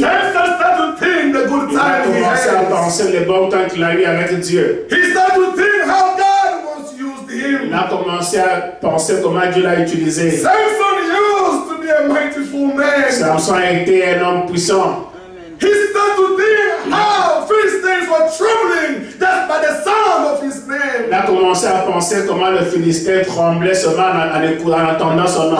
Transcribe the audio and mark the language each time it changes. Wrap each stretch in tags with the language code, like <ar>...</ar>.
<en>Samson started to think the good time he has.</en> <fr>Il a commencé à penser le bon temps qu'il a eu avec Dieu.</fr> <en>He started to think how God once used him.</en> <fr>Il a commencé à penser comment Dieu l'a utilisé.</fr> <en>Samson used to be a mightyful man.</en> <fr>Samson a été un homme puissant.</fr> <en>He started to think how Philistines were trembling just by the sound of his name.</en> <fr>Il a commencé à penser comment le Philistin tremblait seulement en entendant son nom.</fr>